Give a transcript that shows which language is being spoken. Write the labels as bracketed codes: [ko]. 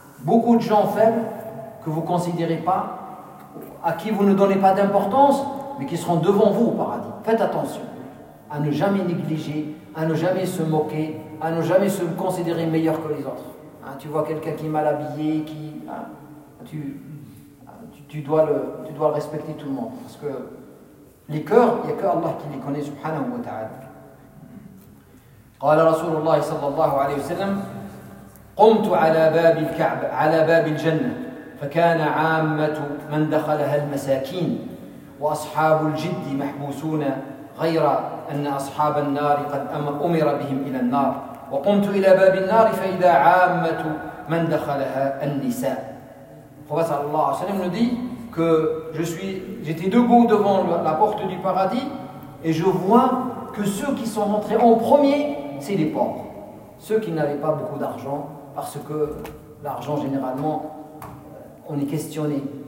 [fr] Beaucoup de gens faibles que vous considérez pas, à qui vous ne donnez pas d'importance, mais qui seront devant vous au paradis. Faites attention à ne jamais négliger, à ne jamais se moquer à ne jamais se considérer meilleur que les autres. Hein, tu vois quelqu'un qui est mal habillé, qui, hein, tu dois le respecter tout le monde. Parce que les cœurs, il n'y a que Allah qui les connaît, subhanahu wa ta'ala. [ar] قال رسول الله صلى الله عليه وسلم قمت على باب الكعبة على باب الجنة فكان عامة من دخلها المساكين وأصحاب الجد محبوسون غير أن أصحاب النار قد أمر بهم إلى النار وقمت إلى باب النار فإذا عامة من دخلها النساء. فقال صلى الله عليه وسلم [fr] nous dit que j'étais debout devant la porte du paradis et je vois que ceux qui sont entrés en premier, c'est les pauvres, ceux qui n'avaient pas beaucoup d'argent, parce que l'argent, généralement, on est questionné.